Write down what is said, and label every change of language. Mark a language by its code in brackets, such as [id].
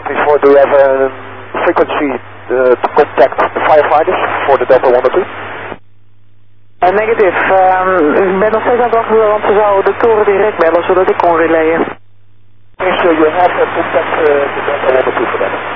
[en] Do you have a frequency to contact the firefighters for the Delta 102? Negative. [nl] Ik ben nog steeds aan het wachten, want ze zouden de toren direct bellen zodat ik kon relayen. [en] Make sure you have a contact to the Delta 102 for them.